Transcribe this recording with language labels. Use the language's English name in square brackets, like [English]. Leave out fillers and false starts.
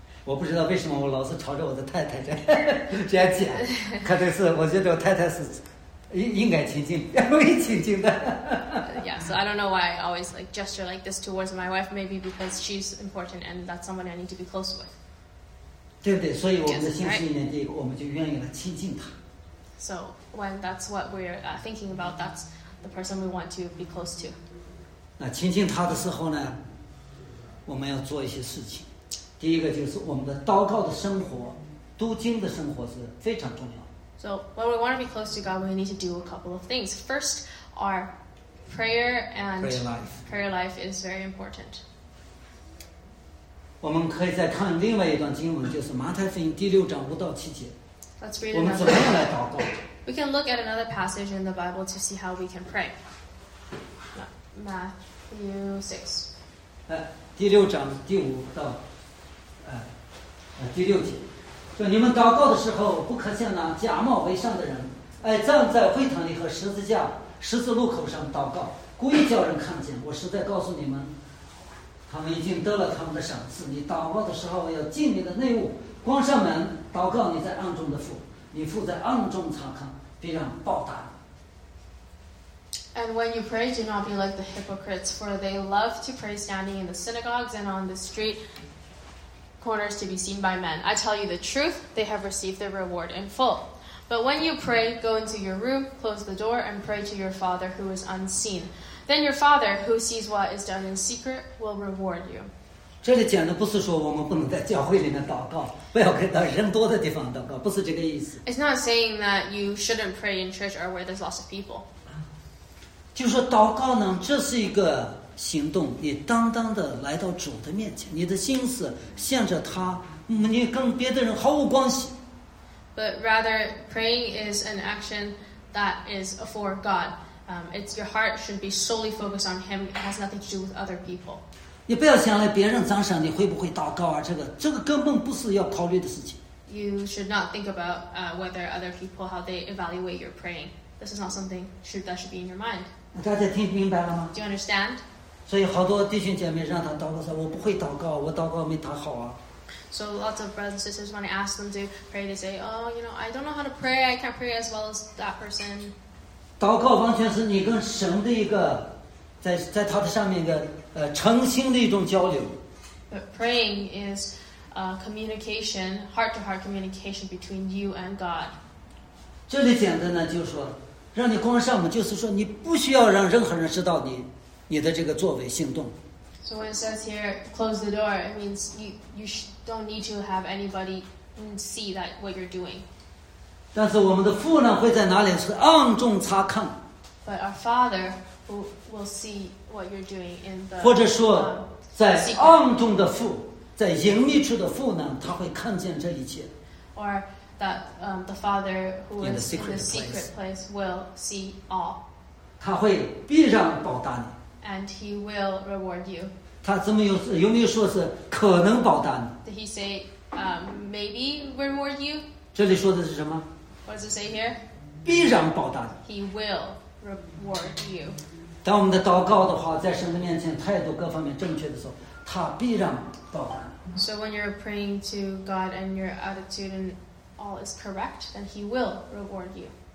[Chinese] 我不知道为什么我老是朝着我的太太这样讲，可能是我觉得我太太是应该亲近，要会亲近的。 [English] Yeah, so I don't know why I always like gesture like this towards my wife. Maybe because she's important and that's somebody I need to be close with. [Chinese] 对不对？所以我们的心思一念，第一个我们就愿意来亲近她。 [English] So when that's what we're thinking about, that's the person we want to be close to. [Chinese] 那亲近她的时候呢？我们要做一些事情，第一个就是我们的祷告的生活，读经的生活是非常重要的。 [English] So when we want to be close to God, we need to do a couple of things. First, our prayer and prayer life is very important. [Chinese] 我们可以再看另外一段经文，就是马太福音第六章五到七节。 [English] Let's read. [Chinese] 我们怎么样来祷告 [English] ？We can look at another passage in the Bible to see how we can pray. Matthew 6. [Chinese] 第六章第五到第六节，说你们祷告的时候，不可像那假冒为善的人，爱站在会堂里和十字路口上祷告，故意叫人看见。我实在告诉你们，他们已经得了他们的赏赐。你祷告的时候，要进你的内屋，关上门，祷告你在暗中的父，你父在暗中查看，必然报答。 [English] And when you pray, do not be like the hypocrites, for they love to pray standing in the synagogues and on the street corners to be seen by men. I tell you the truth, they have received their reward in full. But when you pray, go into your room, close the door, and pray to your Father who is unseen. Then your Father, who sees what is done in secret, will reward you. [Chinese] 这里讲的不是说我们不能在教会里面祷告，不要跟到人多的地方祷告，不是这个意思。 [English] It's not saying that you shouldn't pray in church or where there's lots of people. [Chinese] 就是祷告呢，这是一个行动，你当当的来到主的面前，你的心思向着他，你跟别的人毫无关系。 [English] But rather, praying is an action that is for God. It's your heart should be solely focused on Him. It has nothing to do with other people. [Chinese] 你不要想来别人赞赏你会不会祷告啊，这个根本不是要考虑的事情。 [English] You should not think about whether other people how they evaluate your praying. This is not something that should be in your mind. [Chinese] 大家听明白了吗 [English] ？Do you understand? [Chinese] 所以好多弟兄姐妹让他祷告说：“我不会祷告，我祷告没祷好啊。” [English] So lots of brothers and sisters, when I ask them to pray, they say, oh, you know, I don't know how to pray. I can't pray as well as that person. [Chinese] 祷告完全是你跟神的一个 在他的上面的诚心的一种交流。 [English] But praying is communication, heart-to-heart communication between you and God. [Chinese] 这里讲的呢就是说让你光上门，就是说你不需要让任何人知道你的这个作为行动。 [English] So when it says here, close the door, it means you don't need to have anybody see that what you're doing. [Chinese] 但是我们的父呢会在哪里是暗中查看。 [English] But our father will see what you're doing in the [Chinese] 或者说在暗中的父，在隐秘处的父呢，他会看见这一切。 [English] Or that the father who is in the secret place will see all. [Chinese] 他会必然报答你。 [English] And he will reward you. [Chinese] 他怎么有没有说是可能报答你？ [English] Did he say maybe reward you? [Chinese] 这里说的是什么？ [English] What does it say here? [Chinese] 必然报答你。 [English] He will reward you. [Chinese] 当我们的祷告的话，在神的面前态度各方面正确的时候，他必然报答你。 [English] So when you're praying to God and your attitude and all is correct, then he will reward you.